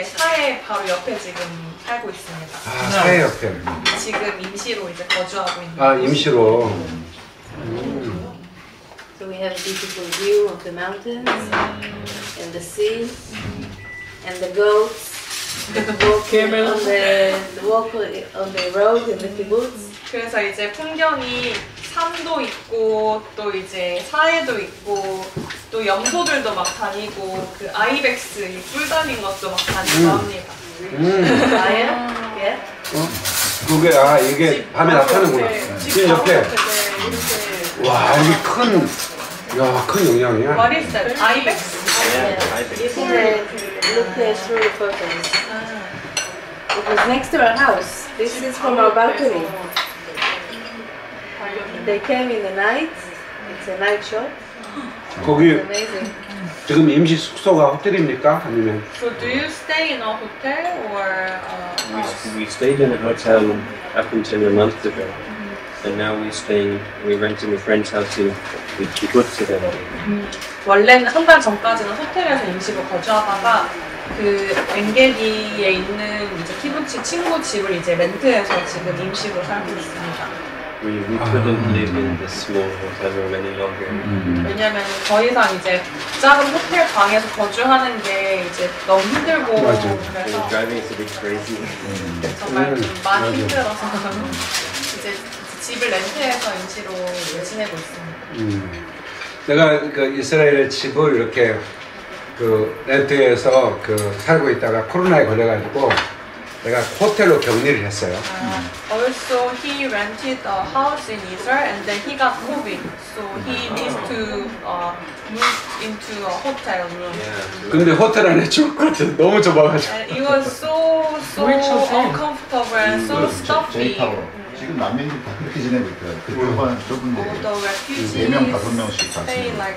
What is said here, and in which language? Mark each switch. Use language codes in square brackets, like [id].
[ko] 저희는 이제 사해 바로 옆에 지금 살고 있습니다. 아 사해 옆에. 지금 임시로 이제 거주하고 있는. 아 임시로. [en] So we have a beautiful view of the mountains and the sea and the goats walking on the road in the kibbutz. [ko] 그래서 이제 풍경이 산도 있고 또 이제 사해도 있고 또 염소들도 막 다니고 그 아이벡스 이 꿀 다닌 것도 막 다니고 합니다. 아예? 예? 어? 그게 아 이게 집, 밤에 나타나는구나. 이게 이렇게. 와 이게 큰 야 큰 영향이야. [en] What is that? 아이벡스. 예. 아이벡스. Look at three photos. It was next to our house. This is from our balcony. They came in the night. It's a night show. [ko] 거기 지금 임시 숙소가 호텔입니까 아니면? [en] So do you stay in a hotel or? We stayed in a hotel up until a month ago, and now we're renting a friend's house in the kibbutz today. [ko] 원래는 한 달 전까지는 호텔에서 임시로 거주하다가 그 엔게디에 있는 이제 키부치 친구 집을 이제 렌트해서 지금 임시로 살고 있습니다. [en] We couldn't live in this small hotel room any longer. [ko] 왜냐면 더 이상 이제 작은 호텔 방에서 거주하는 게 이제 너무 힘들고 맞아. 그래서 [en] so driving is a bit crazy. [ko] 정말 많이 힘들어서 이제 집을 렌트해서 임시로 지내고 있습니다. 내가 그 이스라엘의 집을 이렇게 그 렌트해서 그 살고 있다가 코로나에 걸려가지고. 내가 호텔로 격리를 했어요. [en] Also, he rented a house in Israel and then he got COVID. So he needs to move into a hotel room. Yeah. [ko] 근데 호텔 안에 죽을 것 같아. 너무 좁아가지고. [en] And it was so uncomfortable and so stuffy. [ko] 지금 난민들 다 그렇게 지내고 있어요. 그 동안 좁은 데 네 명, 다섯 명씩 다 지내고